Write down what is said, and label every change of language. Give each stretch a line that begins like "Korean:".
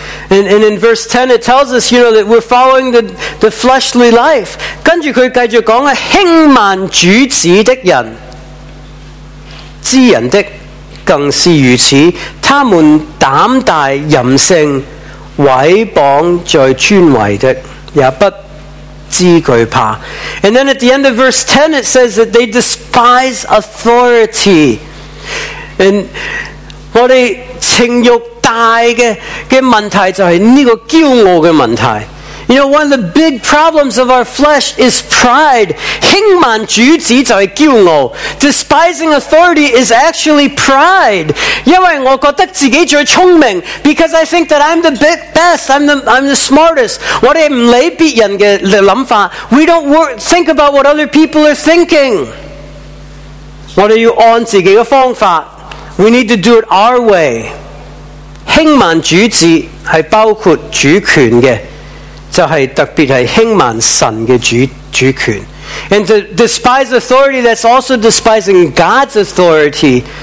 English: And in verse 10 it tells us, you know, that we're following the fleshly life.
Chinese: 跟着他继续说轻慢主子的人知人的更是如此他们胆大淫性毁谤在尊为的也不知惧怕
English: And then at the end of verse 10 it says that they despise authority. And
Chinese: 我们情欲大的问题就是这个骄傲的问题。
English: You know, one of the big problems of our flesh is pride.
Chinese: 轻慢主子就是骄傲。
English: Despising authority is actually pride.
Chinese: 因为我觉得自己最聪明。
English: Because I think that I'm the best, I'm the smartest.
Chinese: 我们不理别人的想法。
English: We don't think about what other people are thinking.
Chinese: 我们要按自己的方法。
English: We need to do it our way.
Chinese: 轻慢主子是包括主权的，就是特别是轻慢神的主权。
English: And to despise authority, that's also despising God's authority.